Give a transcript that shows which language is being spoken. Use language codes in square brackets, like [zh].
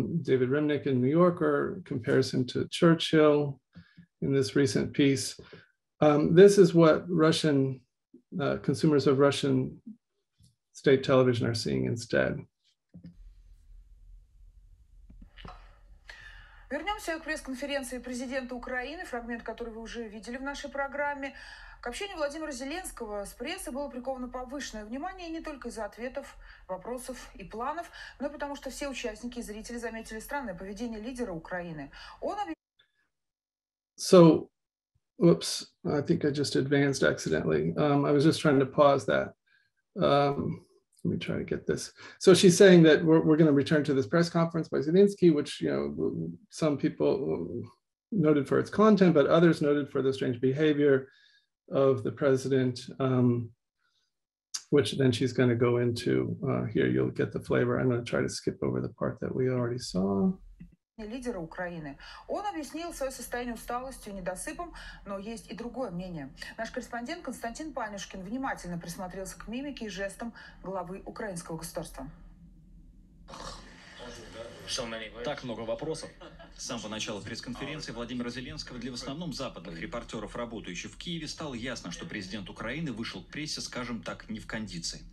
[en] David Remnick in New Yorker compares him to Churchill in this recent piece. This is what Russian consumers of Russian state television are seeing instead. [ru] Вернемся к пресс-конференции президента Украины, фрагмент, который вы уже видели в нашей программе. К общению Владимира Зеленского с прессой было приковано повышенное внимание не только из-за ответов, вопросов и планов, но и потому что все участники и зрители заметили странное поведение лидера Украины. [en] I think I just advanced accidentally. I was just trying to pause that. Let me try to get this. So she's saying that we're going to return to this press conference by Zelensky, which some people noted for its content, but others noted for the strange behavior of the president, which then she's going to go into here. You'll get the flavor. I'm going to try to skip over the part that we already saw. [ru] Лидера Украины. Он объяснил свое состояние усталостью и недосыпом, но есть и другое мнение. Наш корреспондент Константин Панюшкин внимательно присмотрелся к мимике и жестам главы украинского государства. Так много вопросов. С самого начала пресс-конференции Владимира Зеленского для в основном западных репортеров, работающих в Киеве, стало ясно, что президент Украины вышел к прессе, скажем так, не в кондиции.